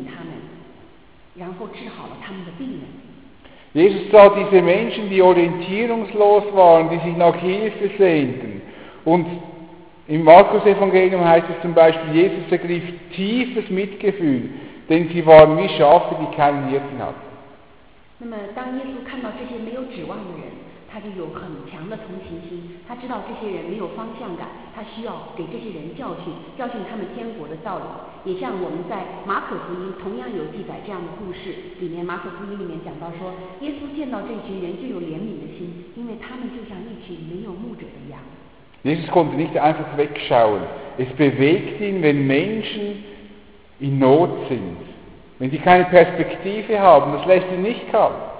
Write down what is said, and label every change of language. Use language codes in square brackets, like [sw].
[zh] 圣经里记载到，耶稣出来，见有许多的人，就怜悯他们，然后治好了他们的病人。 [de] Jesus sah diese Menschen, die orientierungslos waren, die sich nach Hilfe sehnten und im Markus-Evangelium heißt es zum Beispiel, Jesus ergriff tiefes Mitgefühl, denn sie waren wie Schafe, die keinen Hirten hatten。 [zh] 那么，当耶稣看到这些没有指望的人，他就有很强的同情心。他知道这些人没有方向感，他需要给这些人教训，教训他们天国的道理。也像我们在马可福音同样有记载这样的故事，里面马可福音里面讲到说，耶稣见到这群人就有怜悯的心，因为他们就像一群没有牧者一样。 [de] Jesus konnte nicht einfach wegschauen. Es bewegt ihn, wenn Menschen in Not sind. Wenn sie keine Perspektive haben, das lässt ihn nicht kalt.